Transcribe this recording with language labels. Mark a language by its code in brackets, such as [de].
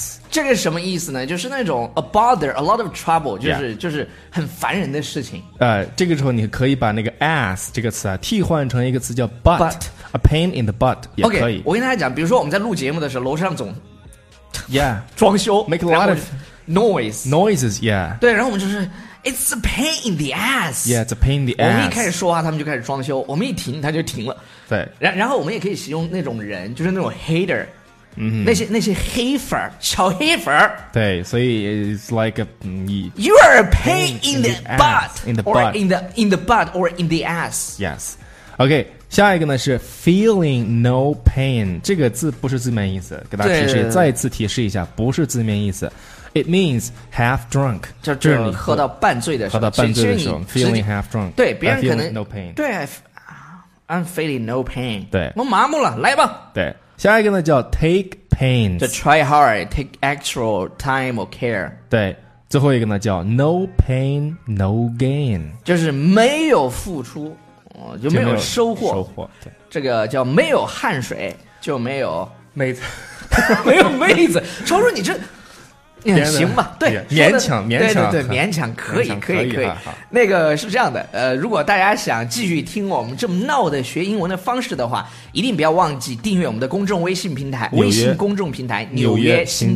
[zh] 这个什么意思呢就是那种 [en] a bother a lot of trouble [zh] 就是很烦人的事情这个时候你可以把那个 ass 这个词啊替换成一个词叫 butt [en] a pain in the butt [zh] 也可以 OK 我跟大家讲比如说我们在录节目的时候楼上总 [en] yeah [zh] 装修 [en] make a lot of noises yeah [zh] 对然后我们就是 [en] It's a pain in the ass. Yeah, it's a pain in the ass. [zh] 我们一开始说话，他们就开始装修。我们一停，他就停了。对。然后我们也可以形容那种人，就是那种 hater，、 [en] mm-hmm. [zh] 那些黑粉小黑粉对，所以 [en] it's like you are a pain in the butt, in the butt, in the butt or in the ass. Yes. Okay. [zh] 下一个呢是 feeling no pain. 这个字不是字面意思，给大家提示，再次提示一下，不是字面意思。 [en] It means half drunk [zh] 就是你喝到半醉的时候喝到半醉的时候 [en] feeling half drunk [zh] 对别人可能 [en] no pain 对 I'm feeling no pain [zh] 对我麻木了来吧对下一个呢叫 take pains [en] to try hard take actual time or care [zh] 对最后一个呢叫 [en] No pain, no gain， [zh] 就是没有付出就没有收获，收获，对，这个叫没有汗水就没有妹子，没有妹子。超叔你这行吧，对，勉强勉强，对对对，勉强可以强可以可以。那个是这样的，如果大家想继续听我们这么闹的学英文的方式的话，一定不要忘记订阅我们的公众微信平台，微信公众平台纽约新